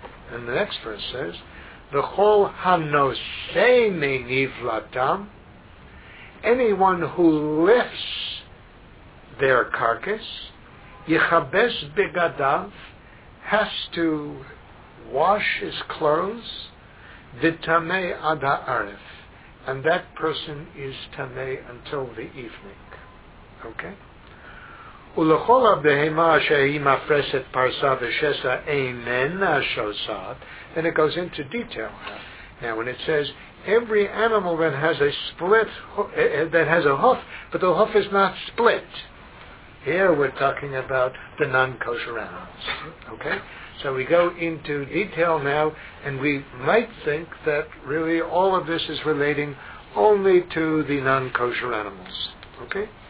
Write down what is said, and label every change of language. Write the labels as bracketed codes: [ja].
[en] And the next verse says, [he] V'chol hanosei me'nivlatam, [en] anyone who lifts their carcass, [he] yichabes begadav, [en] has to wash his clothes, [he] v'tamei ad ha'aref, [en] and that person is tamei until the evening. Okay? [he] ולכל הבהמה אשר היא מפרסת פרסה ושסה איננה שוסעת. [en] Then it goes into detail. Now when it says, every animal that has a split, that has a hoof, but the hoof is not split. Here we're talking about the non-kosher animals. Okay? So we go into detail now, and we might think that really all of this is relating only to the non-kosher animals. Okay?